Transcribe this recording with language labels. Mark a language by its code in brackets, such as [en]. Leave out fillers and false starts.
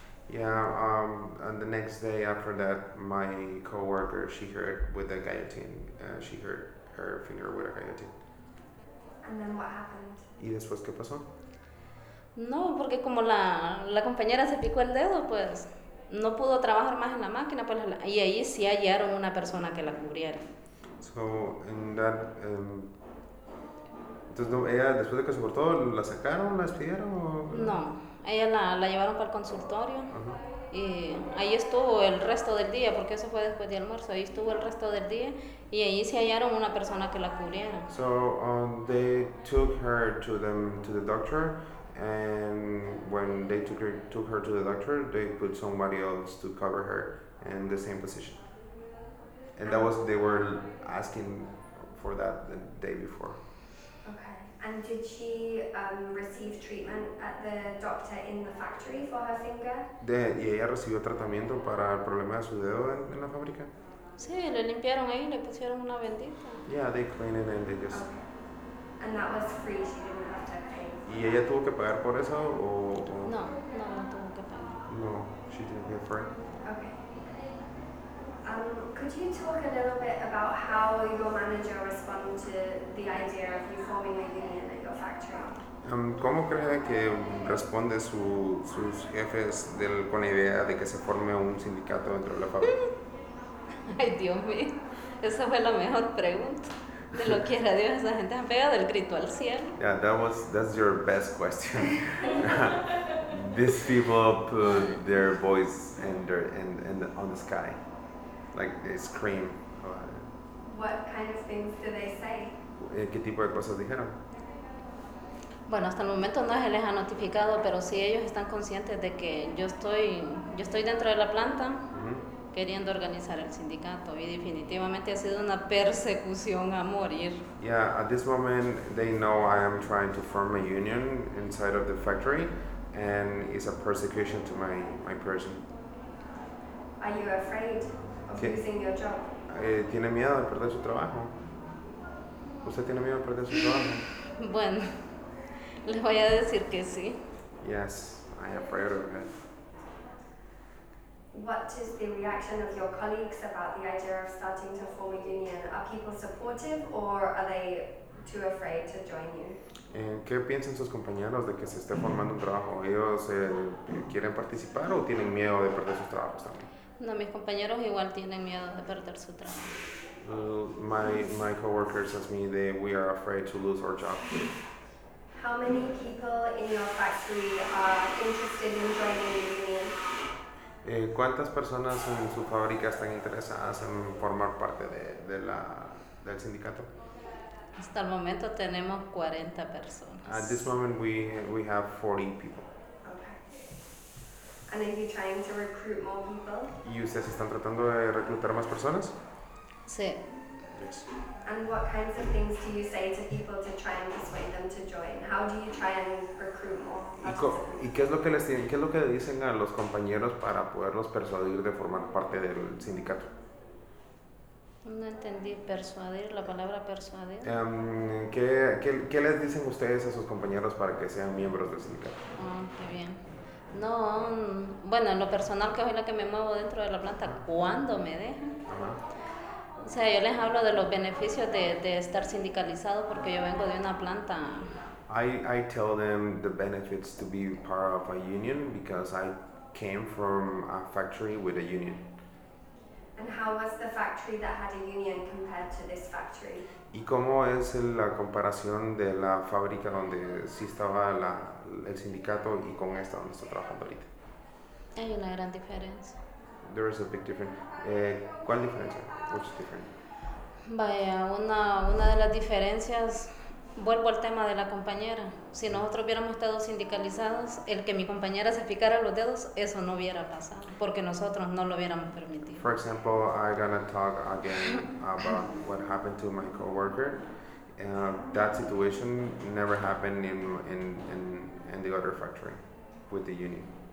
[en] Yeah, and the next day after that, my coworker, she hurt with a guillotine. She hurt her finger with a guillotine. And then what happened? [es] ¿Y después qué pasó? No, porque como la compañera se picó el dedo, pues no pudo trabajar más en la máquina, pues, y ahí sí hallaron una persona que la cubriera. [en] So, en that, [es] entonces, no, ella después de que se cortó, ¿la sacaron, la despidieron o...? No, ella la llevaron para el consultorio y ahí estuvo el resto del día, porque eso fue después de almuerzo, ahí estuvo el resto del día y ahí sí hallaron una persona que la cubriera. [en] So they took her to them to the doctor, and when they took her to the doctor, they put somebody else to cover her in the same position. And they were asking for that the day before. And did she receive treatment at the doctor in the factory for her finger? [es] ¿Y ella recibió tratamiento para el problema de su dedo en la fábrica? Sí, le limpiaron ahí, le pusieron una bendita. [en] Yeah, they cleaned it and they just. Okay. And that was free, she didn't have to pay for [es] ¿Y ella [en] that. [es] tuvo que pagar por eso o? No, tuvo que pagar. [en] No, she didn't pay for it. Okay. Could you talk a little bit about how your manager responded to the idea of you forming a union at your factory? [es] ¿Cómo cree que responde sus jefes con la idea de que se forme un sindicato dentro de la fábrica? Ay, Dios mío, esa fue la mejor pregunta. De lo que era Dios, esa gente ha pegado el grito al cielo. [en] Yeah, that's your best question. These people put their voice on the sky, like they scream. What kind of things do they say? [es] ¿Qué tipo de cosas dijeron? Bueno, hasta el momento no se les ha notificado, pero sí ellos están conscientes de que yo estoy dentro de la planta, mm-hmm, queriendo organizar el sindicato, y definitivamente ha sido una persecución a morir. [en] Yeah, at this moment they know I am trying to form a union inside of the factory, and it's a persecution to my person. Are you afraid of losing your job? [es] ¿Tiene miedo de perder su trabajo? ¿Usted tiene miedo de perder su trabajo? Bueno, les voy a decir que sí. [en] Yes, I am afraid of it. What is the reaction of your colleagues about the idea of starting to form a union? Are people supportive or are they too afraid to join you? [es] ¿Qué piensan sus compañeros de que se esté formando un trabajo? ¿Ellos quieren participar o tienen miedo de perder sus trabajos también? No, mis compañeros igual tienen miedo de perder su trabajo. [en] My coworkers ask me that we are afraid to lose our job. How many people in your factory are interested in joining the union? [es] ¿Cuántas personas en su fábrica están interesadas en formar parte del sindicato? Hasta el momento tenemos 40 personas. [en] At this moment we have 40 people. Okay. And are you trying to recruit more people? [es] ¿Y ustedes están tratando de reclutar más personas? Sí. [en] Yes. And what kinds of things do you say to people to try and persuade them to join? How do you try and recruit more? [es] ¿Y qué es lo que les tienen? ¿Qué es lo que dicen a los compañeros para poderlos persuadir de formar parte del sindicato? No entendí persuadir, la palabra persuadir. ¿Qué les dicen ustedes a sus compañeros para que sean miembros del sindicato? Ah, qué bien. No, bueno, en lo personal, que soy la que me muevo dentro de la planta, ¿cuándo me dejan? Ajá. O sea, yo les hablo de los beneficios de estar sindicalizado porque yo vengo de una planta. [en] I tell them the benefits to be part of a union because I came from a factory with a union. And how was the factory that had a union compared to this factory? [es] ¿Y cómo es la comparación de la fábrica donde sí estaba el sindicato y con esta donde está trabajando ahorita? Hay una gran diferencia. [en] There is a big difference. [es] ¿Cuál diferencia? [en] What's the difference? [es] Vaya, una de las diferencias, vuelvo al tema de la compañera. Si nosotros hubiéramos estado sindicalizados, el que mi compañera se picara los dedos, eso no hubiera pasado, porque nosotros no lo hubiéramos permitido. [en] For example, I'm gonna talk again about what happened to my coworker. That situation never happened in the other factory with the union.